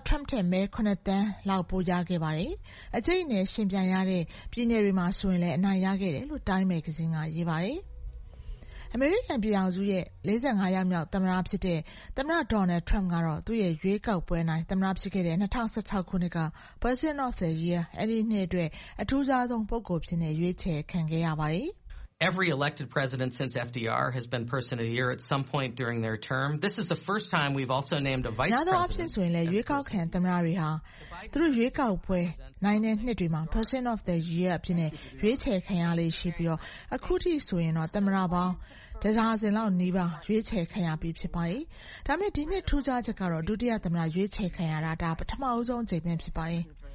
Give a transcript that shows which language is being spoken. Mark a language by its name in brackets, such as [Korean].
[Burmese] Trump ထဲမှာ9တန်းလောက်ပိုရခဲ့ပါတယ်။အကြိတ်နဲ့ရှင်ပြန်ရတဲ့ပြည်နယ်တွေမှာဆိုရင်လည်းအနိုင်ရခဲ့တယ်လို့ Time Magazine ကရေးပါတယ်။ American ပြည်အောင်စုရဲ့55ရောက်မြောက်သမ္မတဖြစ်တဲ့သမ္မတ Donald Trump ကတော့သူ့ရဲ့ရွေးကောက်ပွဲတိုင်းသမ္မတဖြစ်ခဲ့တဲ့2016ခုနှစ်က President of the Year အဲ့ဒီနှစ်အတွက်အထူးစားဆုံးပုဂ္ဂိုလ်ဖြစ်တဲ့ရွေးချယ်ခံခဲ့ရပါတယ်။ [English] Every elected president since FDR has been person of the year at some point during their term. This is the first time we've also named a vice president. [Burmese] Now the option ဆိုရင်လည်းရွေးကောက်ခံသမ္မတတွေဟာသူတို့ရွေးကောက်ပွဲနိုင်တဲ့နှစ်တွေမှာ person of the year အဖြစ်နဲ့ရွေးချယ်ခံရလေးရှိပြီးတော့အခုထိဆိုရင်တော့သမ္မတပေါင်းဒဇာစင်လောက်နေပါရွေးချယ်ခံရပြီဖြစ်ပါတယ်။ဒါပေမဲ့ဒီနှစ်ထူးခြားချက်ကတော့ဒုတိယသမ္မတရွေးချယ်ခံရတာဒါပထမဆုံးချိန်ပြန်ဖြစ်ပါတယ်။